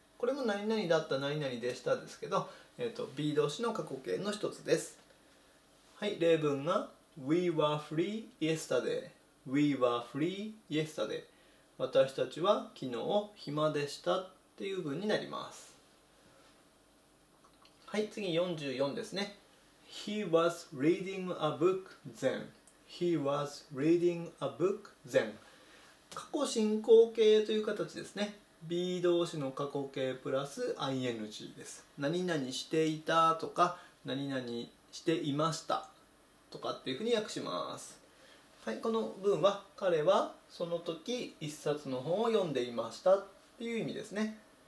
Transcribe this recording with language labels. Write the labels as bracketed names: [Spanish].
[Japanese] これも何々だった何々でしたですけど、be 動詞の過去形の一つです。はい、例文が [English] we were free yesterday、 [Japanese] we were free yesterday、 私たちは昨日暇でしたっていう文になります。はい、次44ですね。 [English] he was reading a book thenHe was reading a book then。 [Japanese] 過去進行形という形ですね。be 動詞の過去形プラス ing です。何々していたとか何々していましたとかっていうふうに訳します。はい、この文は彼はその時一冊の本を読んでいましたっていう意味ですね。